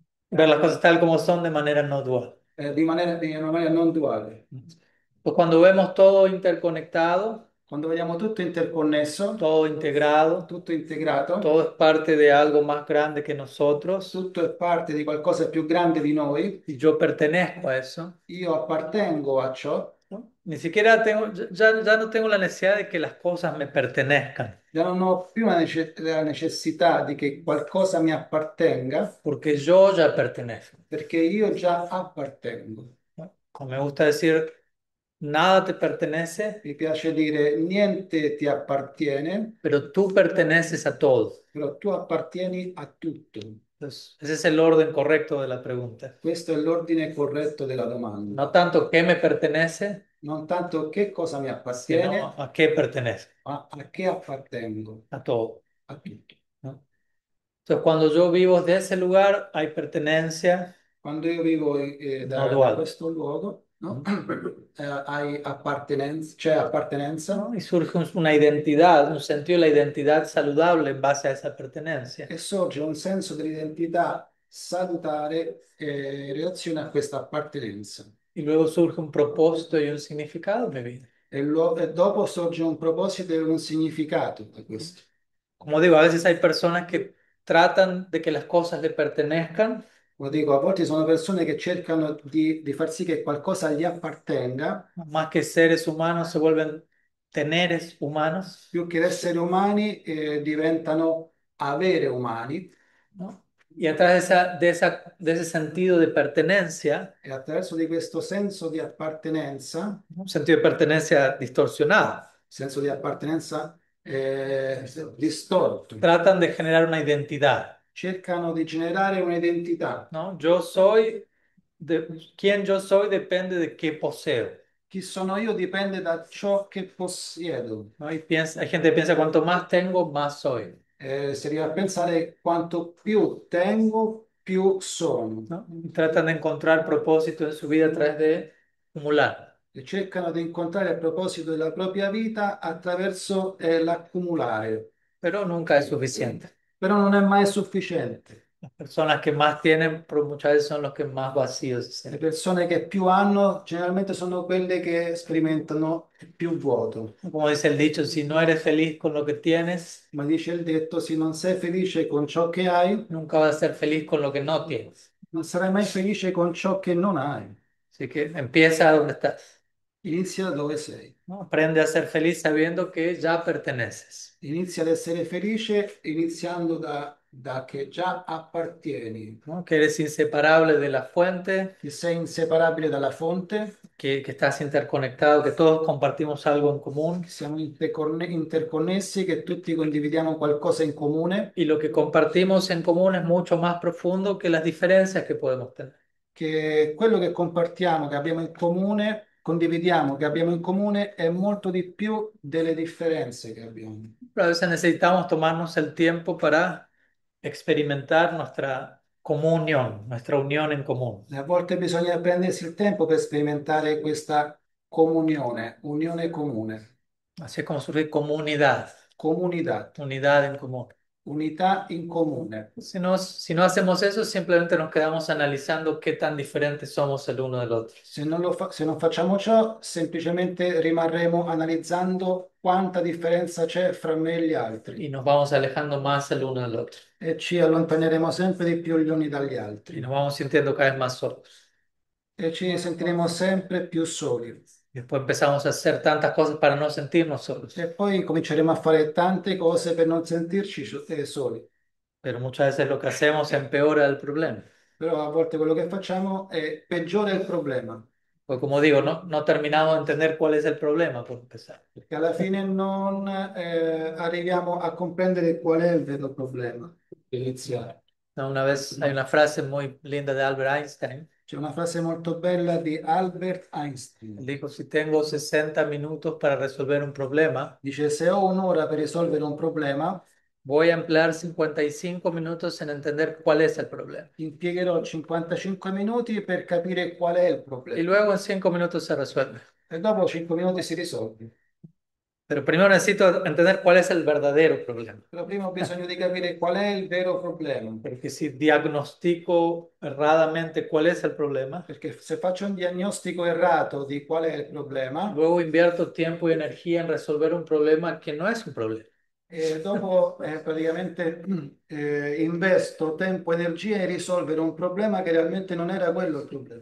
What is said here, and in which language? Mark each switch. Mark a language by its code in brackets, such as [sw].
[es] Ver las cosas tal como son de manera no dual. [it] Di una maniera non duale. [es] Pues cuando vemos todo interconectado, [it] Quando vediamo tutto interconnesso, [es] todo integrado, [it] tutto integrato, [es] todo es parte de algo más grande que nosotros. [it] tutto è parte di qualcosa più grande di noi, io [es] Y yo pertenezco a eso. [it] appartengo a ciò, [es] ¿No? Ni siquiera tengo, ya no tengo la necesidad de que las cosas me pertenezcan. [it] già non ho più la necessità di che qualcosa mi appartenga, [es] Porque yo ya pertenezco. [it] perché io già appartengo. [es] ¿No? Como me gusta decir, nada te pertenece, [it] Mi piace dire niente ti appartiene, [es] pero tú perteneces a todos. [it] però tu appartieni a tutto. [es] Entonces, ese es el orden correcto de la pregunta. [it] Questo è l'ordine corretto della domanda. [es] No tanto qué me pertenece, [it] Non tanto che cosa mi [es] sino [it] appartiene, [es] a qué pertenece. [it] ma a che appartengo, [es] A todo. [it] a tutto. [es] Entonces, cuando yo vivo de ese lugar, hay pertenencia [it] Quando io vivo [es] no [it] da [es] dual. [it] questo luogo, no? Hai appartenenza, c'è appartenenza. [es] ¿No? Y surge una identidad, un sentido de la identidad saludable en base a esa pertenencia. [it] E sorge un senso dell'identità salutare in relazione a questa appartenenza. E [es] Y luego surge un propósito y un significado en mi vida. [it] dopo sorge un proposito e un significato da questo. [es] Como digo, a veces hay personas que tratan de que las cosas le pertenezcan. [it] Lo dico, a volte sono persone che cercano di far sí che qualcosa gli appartenga. [es] Más que seres humanos, se vuelven teneres humanos. [it] Più che essere umani, diventano avere umani. E [es] ¿No? Y a través de ese sentido de pertenencia, [it] attraverso di questo senso di appartenenza, [es] un sentido de pertenencia distorsionado. [it] senso di appartenenza distorto. [es] Tratan de generar una identidad. [it] Cercano di generare un'identità. [es] ¿No? Yo soy, quien yo soy depende de qué poseo. [it] Chi sono io dipende da ciò che possiedo. [es] ¿No? Y piensa, hay gente que piensa, cuanto más tengo, más soy. [it] Si arriva a pensare quanto più tengo, più sono. [es] ¿No? Tratan de encontrar propósito en su vida a través de acumular. [it] E cercano di incontrare il proposito della propria vita attraverso l'accumulare. [es] Pero nunca es suficiente. [it] Però non è mai sufficiente. [es] Las personas que más tienen, pero muchas veces son los que más vacíos [it] Le [es] se [it] persone che più hanno generalmente sono quelle che sperimentano più vuoto. [es] sienten. Como dice el dicho, si no eres feliz con lo que tienes, [it] Ma dice il detto, se non sei felice con ciò che hai, non [es] nunca vas a ser feliz con lo que no tienes. [it] sarai mai felice con ciò che non hai. [es] Así que empieza donde estás. [it] Inizia dove sei. [es] ¿No? Aprende a ser feliz sabiendo que ya perteneces. [it] Inizia ad essere felice iniziando da che già appartieni, [es] ¿No? Que eres inseparable de la fuente, [it] che sei inseparabile dalla fonte, [es] que estás interconectado, que todos compartimos algo en común. [it] siamo interconnessi, che tutti condividiamo qualcosa in comune, [es] Y lo que compartimos en común es mucho más profundo que las diferencias que podemos tener. [it] che quello che compartiamo, che abbiamo in comune, condividiamo, che abbiamo in comune è molto di più delle differenze che abbiamo. [es] Pero a veces necesitamos tomarnos el tiempo para experimentar nuestra comunión, nuestra unión en común. [it] A volte bisogna prendersi il tempo per sperimentare questa comunione, unione comune. [es] Así es como surge comunidad, Comunidad. unidad en común. [it] Unità in comune. [es] Si no hacemos eso, simplemente nos quedamos analizando qué tan diferentes somos el uno del otro. [it] Se non facciamo ciò, semplicemente rimarremo analizzando quanta differenza c'è fra me e gli altri. [es] Y [it] E [es] nos vamos alejando más el uno del otro. [it] ci allontaneremo sempre di più gli uni dagli [es] Y [it] altri. [es] nos vamos sintiendo cada vez más solos. [it] E ci sentiremo sempre più soli. E [es] Después empezamos a hacer tantas cosas para no sentirnos solos. [it] poi cominceremo a fare tante cose per non sentirci soli. [es] Pero muchas veces lo que hacemos empeora el problema. [it] Però a volte quello che facciamo è peggiore il problema. Perché [es] Pues como digo, no terminamos de entender cuál es el problema, por empezar. [it] alla fine non arriviamo a comprendere qual è il vero problema. Iniziare. [es] Una vez hay una frase muy linda de Albert Einstein. [it] C'è una frase molto bella di Albert Einstein. [es] Dijo, si tengo 60 minutos para resolver un problema, [it] Dice, se ho un'ora per risolvere un problema, [es] voy a emplear 55 minutos en entender cuál es el problema. [it] impiegherò 55 minuti per capire qual è il [es] Y [it] problema. [es] luego en 5 minutos se resuelve. [it] E dopo 5 minuti si risolve. [es] Pero primero necesito entender cuál es el verdadero problema. [it] Però prima ho bisogno di capire qual è il vero problema. Perché [es] si diagnostico erradamente [it] qual è il problema, Perché se faccio un diagnostico errato di qual è il problema, [es] luego invierto tiempo e energía en resolver un problema [it] che non è un problema. dopo praticamente investo tempo e energia in risolvere un problema che realmente non era quello il problema.